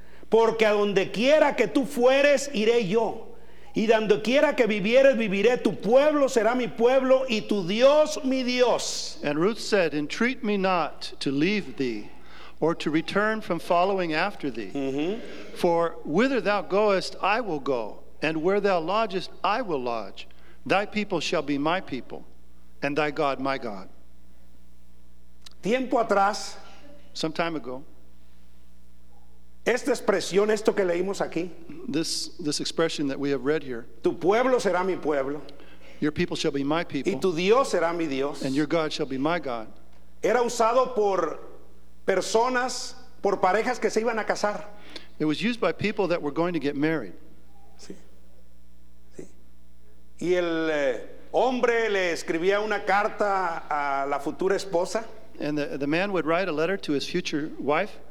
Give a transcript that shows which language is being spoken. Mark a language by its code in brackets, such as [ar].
[es] Porque a donde quiera que tú fueres, iré yo. Y donde quiera que vivieres, viviré. Tu pueblo será mi pueblo, y tu Dios, mi Dios. [en] And Ruth said, entreat me not to leave thee, or to return from following after thee. Mm-hmm. For whither thou goest, I will go, and where thou lodgest, I will lodge. Thy people shall be my people, and thy God my God. [es] Tiempo atrás, [en] some time ago, [es] esta expresión, esto que leímos aquí, [en] this expression that we have read here, [es] tu pueblo será mi pueblo, [en] your people shall be my people, [es] y tu Dios será mi Dios, [en] and your God shall be my God, [es] era usado por personas, por parejas que se iban a casar. [en] It was used by people that were going to get married. [es] Sí. Sí. Y el hombre le escribía una carta a la futura esposa. [en] And the man would write a letter to his future wife.